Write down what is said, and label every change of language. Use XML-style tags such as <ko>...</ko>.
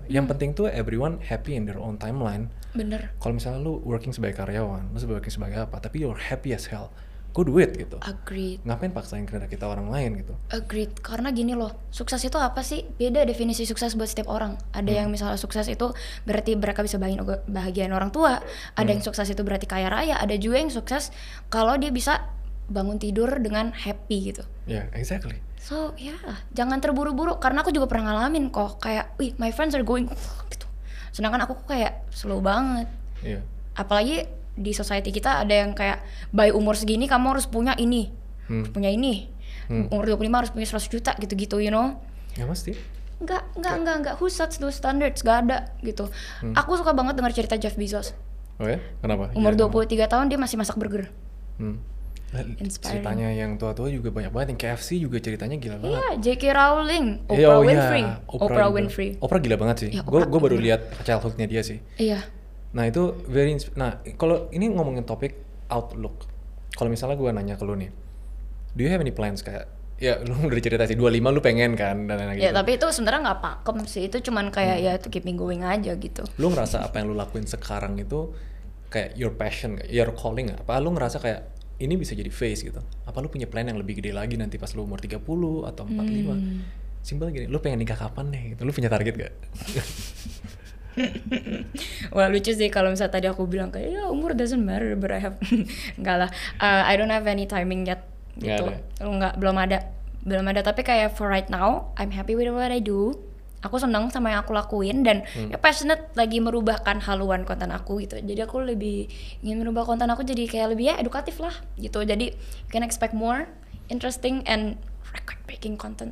<id>Yang penting tuh</id> <en>everyone happy in their own timeline.</en> <id>Bener. Kalau misalnya lu</id> <en>working</en> <id>sebagai karyawan, lu sebagai apa, tapi</id> <en>you're happy as hell, go do it</en> <id>gitu.</id> <en>Agreed.</en> <id>Ngapain paksain kehendak kita orang lain gitu.</id> <en>Agreed,</en> <id>karena gini loh, sukses itu apa sih? Beda definisi sukses buat setiap orang. Ada yang misalnya sukses itu berarti mereka bisa bahagiain orang tua, ada yang sukses itu berarti kaya raya, ada juga yang sukses kalau dia bisa bangun tidur dengan happy gitu.</id> <en>Ya, yeah, exactly. So,</en> <id>ya, yeah, jangan terburu-buru, karena aku juga pernah ngalamin kok kayak, wih,</id> <en>my friends are going</en> <id>gitu. Sedangkan aku kayak slow banget. Iya. Yeah. Apalagi di society kita ada yang kayak</id> <en>by</en> <id>umur segini kamu harus punya ini, harus punya ini. Umur 25 harus punya 100 juta gitu-gitu,</id> <en>you know.</en> <id>Ya mesti.</id> <en>Enggak, who sets those standards?</en> <id>Enggak ada gitu. Aku suka banget dengar cerita Jeff Bezos. Oh ya? Kenapa? Umur 23 tahun dia masih masak burger. Inspiring. Ceritanya yang tua-tua juga banyak banget, yang KFC juga ceritanya gila banget. Iya, J.K. Rowling, Oprah Winfrey. Oprah gila banget sih. Ya, gue baru lihat childhood-nya dia sih. Iya. Nah, itu</id> <en>very</en> <id>nah, kalau ini ngomongin topik outlook. Kalau misalnya gue nanya ke lu nih,</id> <en>do you have any plans</en> <id>kayak ya lu udah cerita sih 25 lu pengen kan dan lain-lain gitu. Ya, tapi itu sebenarnya enggak pakem sih. Itu cuman kayak ya itu</id> <en>keeping going</en> <id>aja gitu. Lu ngerasa apa yang lu lakuin sekarang itu kayak</id> <en>your passion, your calling</en> <id>apa lu ngerasa kayak ini bisa jadi phase gitu. Apa lu punya plan yang lebih gede lagi nanti pas lu umur 30 atau 45? Simpel gini, lu pengen nikah kapan nih? Lu punya target enggak?</id> <en>Well,</en> <id>lucu sih kalau misalnya tadi aku bilang kayak ya umur</id> <en>doesn't matter but I have</en> <id>enggak lah.</id> <en>I don't have any timing yet.</en> <id>Gitu. Enggak, belum ada tapi kayak</id> <en>for right now I'm happy with what I do.</en> <id>Aku senang sama yang aku lakuin dan ya passionate lagi merubahkan haluan konten aku gitu. Jadi aku lebih ingin merubah konten aku jadi kayak lebih ya edukatif lah gitu. Jadi</id> <en>you can expect more interesting and record breaking content.</en>